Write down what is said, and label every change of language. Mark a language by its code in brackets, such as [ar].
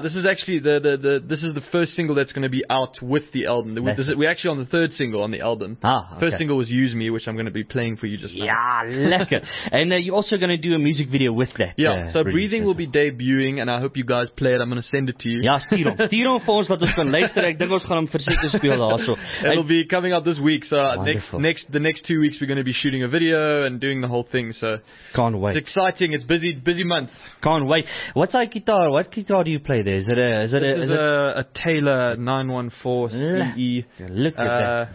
[en] This is actually the first single that's going to be out with the album. We're actually on the third single on the album. First single was Use Me, which I'm going to be playing for you just now. Yeah, lekker. And you're also going to do a music video with that. Yeah. So Breathing will be debuting, and I hope you guys play it. I'm going to send it to you. [af] Ja, stuur hom vir ons, laat ons kan luister. Ek dink ons gaan hom verseker speel daarso. [en] It'll be coming out this week, so next 2 weeks we're going to be shooting a video and doing the whole thing, so can't wait. It's exciting. It's busy month. Can't wait. What's our guitar? What guitar do you play there? Is it a Taylor 914 CE? Look at that.